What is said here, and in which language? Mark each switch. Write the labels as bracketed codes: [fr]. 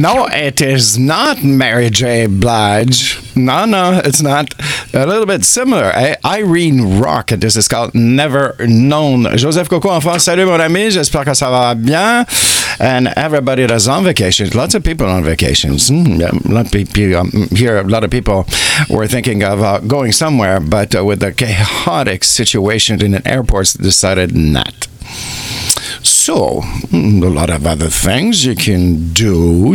[en] It is not Mary J. Blige. No, it's not. a little bit similar. Irene Rock, this is called Never Known. [fr] Joseph Coco en France, salut mon ami, j'espère que ça va bien. [en] And everybody that's on vacation, lots of people on vacations. Here, a lot of people were thinking of going somewhere, but with the chaotic situation in the airports, decided not. So, a lot of other things you can do.